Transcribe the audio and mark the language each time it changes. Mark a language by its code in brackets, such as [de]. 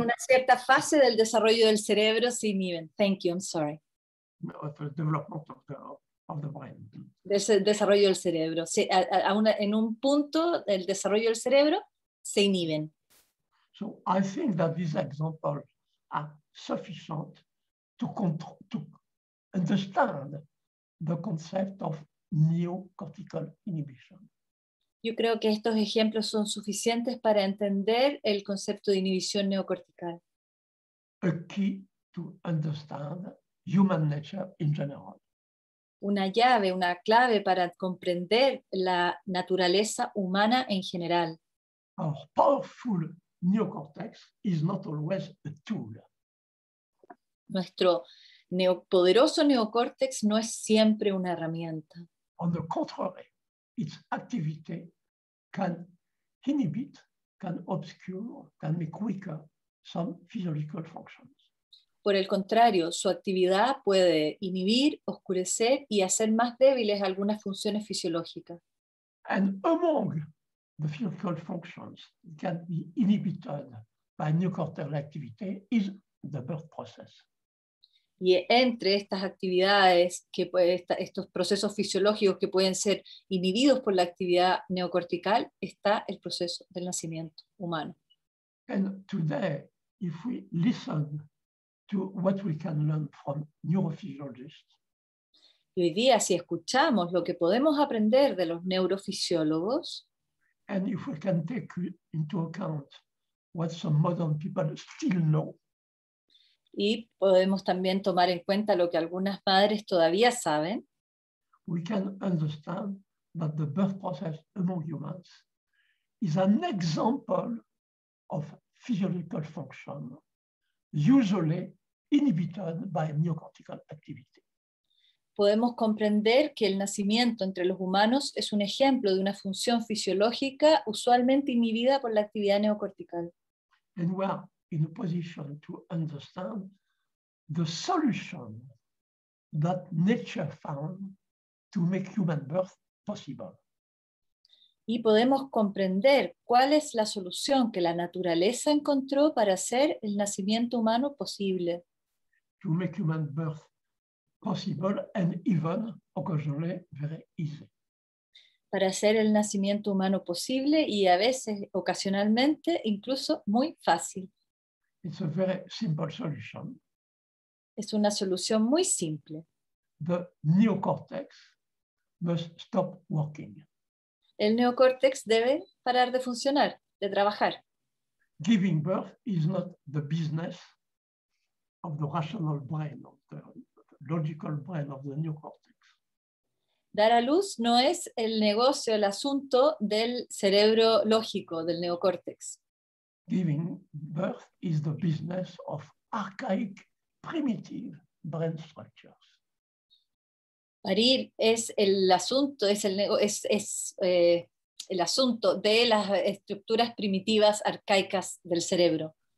[es] una cierta fase del desarrollo del cerebro se inhiben. [en] Thank you, I'm sorry. Of the brain. [es] Desarrollo del cerebro. En un punto del desarrollo del cerebro se inhiben. [en] So I think that these examples are sufficient to understand the concept of neocortical inhibition. [es] Yo creo que estos ejemplos son suficientes para entender el concepto de inhibición neocortical. [en] A key to understand human nature in general. [es] Una llave, una clave para comprender la naturaleza humana en general. [en] Our powerful neocortex is not always a tool. [es] Nuestro poderoso neocórtex no es siempre una herramienta. [en] On the contrary, its activity can inhibit, can obscure, can make weaker some physiological functions. [es] Por el contrario, su actividad puede inhibir, oscurecer y hacer más débiles algunas funciones fisiológicas. [en] And among the physiological functions that can be inhibited by neocortical activity is the birth process. [es] Y entre estas actividades, que puede, estos procesos fisiológicos que pueden ser inhibidos por la actividad neocortical, está el proceso del nacimiento humano. [en] And today, if we listen to what we can learn from neurophysiologists, [es] y hoy día, si escuchamos lo que podemos aprender de los neurofisiólogos, [en] and if we can take into account what some modern people still know, [es] y podemos también tomar en cuenta lo que algunas madres todavía saben, [en] we can understand that the birth process among humans is an example of physiological function, usually inhibited by neocortical activity. [es] Podemos comprender que el nacimiento entre los humanos es un ejemplo de una función fisiológica usualmente inhibida por la actividad neocortical. [en] And we are in a position to understand the solution that nature found to make human birth possible. [es] Y podemos comprender cuál es la solución que la naturaleza encontró para hacer el nacimiento humano posible. [en] To make human birth possible and even occasionally very easy. [es] Para hacer el nacimiento humano posible y a veces ocasionalmente incluso muy fácil. [en] It's a very simple solution. [es] Es una solución muy simple. [en] The neocortex must stop working. [es] El neocórtex debe parar de funcionar, de trabajar. [en] Giving birth is not the business of the rational brain, of the logical brain of the neocortex. [es] Dar a luz no es el negocio, el asunto del cerebro lógico, del neocórtex. [en] Giving birth is the business of archaic, primitive brain structures. [es] Parir es el asunto, el asunto de las estructuras primitivas arcaicas del cerebro.